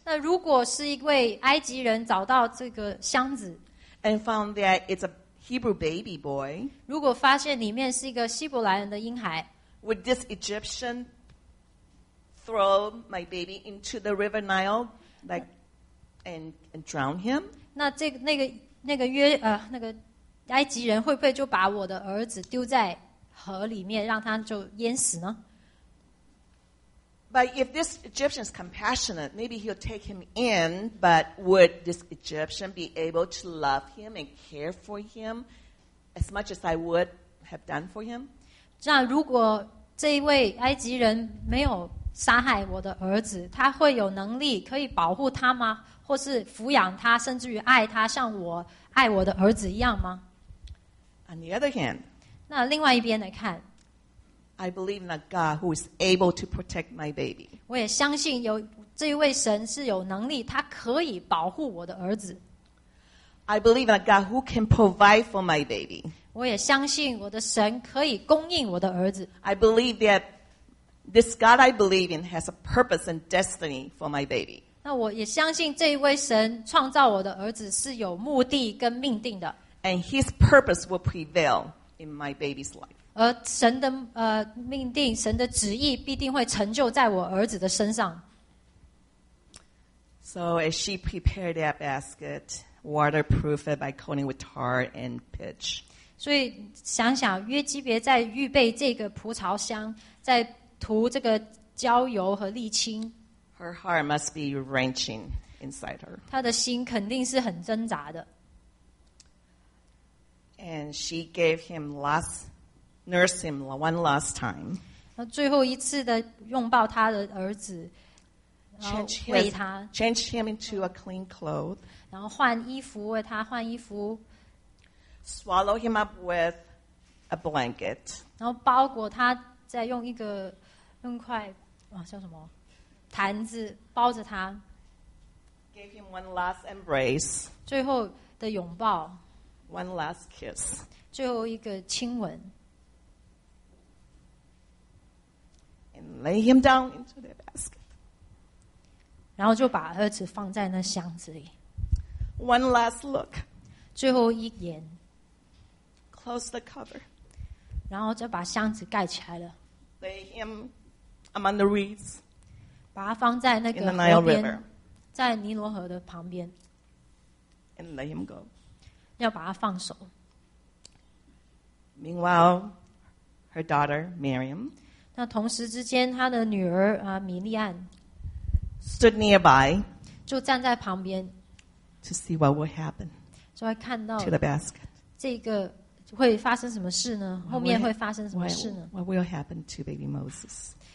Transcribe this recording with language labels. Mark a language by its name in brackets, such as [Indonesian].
[Chinese] 那如果是一位埃及人找到这个箱子, [English] and found that it's a Hebrew baby boy. [Chinese] 如果发现里面是一个希伯来人的婴孩, [English] would this Egyptian throw my baby into the river Nile, like and drown him? [Chinese] 那个埃及人会不会就把我的儿子丢在河里面，让他就淹死呢? [English] But if this Egyptian is compassionate, maybe he'll take him in, but would this Egyptian be able to love him and care for him as much as I would have done for him? [Chinese] 那如果这一位埃及人没有杀害我的儿子，他会有能力可以保护他吗？或是抚养他，甚至于爱他，像我爱我的儿子一样吗？ [English] On the other hand, [Chinese] 那另外一边来看， [English] I believe in a God who is able to protect my baby. [Chinese] 我也相信有这一位神是有能力，他可以保护我的儿子。 [English] I believe in a God who can provide for my baby. [Chinese] 我也相信我的神可以供应我的儿子。 [English] I believe that this God I believe in has a purpose and destiny for my baby. [Chinese] 那我也相信这一位神创造我的儿子是有目的跟命定的。 [English] And his purpose will prevail in my baby's life. [Chinese] 而神的命定，神的旨意必定会成就在我儿子的身上。 [English] So as she prepared that basket,waterproof it by coating with tar and pitch. [Chinese] 所以想想约基别在预备这个蒲槽箱，在涂这个焦油和沥青。 [English] Her heart must be wrenching inside her. [Chinese] 她的心肯定是很挣扎的。 [English] And she gave him last, nursed him one last time. [Chinese] 那最后一次的拥抱她的儿子，然后喂他 [English] changed him into a clean cloth. [Chinese] 然后换衣服，为他换衣服。 [English] Swallow him up with a blanket. [Chinese] 然后包裹他，再用一个用块啊叫什么毯子包着他。 [English] Gave him one last embrace. [Chinese] 最后的拥抱。 [English] One last kiss. [Chinese] 最后一个亲吻。 [English] And lay him down into the basket. [Chinese] 然后就把儿子放在那箱子里。 [English] One last look. [Chinese] 最后一眼。 [English] Close the cover. [Chinese] 然后就把箱子盖起来了。 [English] Lay him among the reeds. [Chinese] 把他放在那个河 [English] 边。In the Nile River. [Chinese] 在尼罗河的旁边。 [English] And let him go. [Chinese] 要把他放手。 [English] Meanwhile, her daughter, Miriam. [Chinese] 那同时之间，她的女儿米利安。 [English] Stood nearby, [Chinese] 就站在旁边 [English] to see what would happen. [Chinese] 就会看到 [English] to the basket. [Chinese] 这个会发生什么事呢？后面会发生什么事呢 [English] ？What will happen to baby Moses?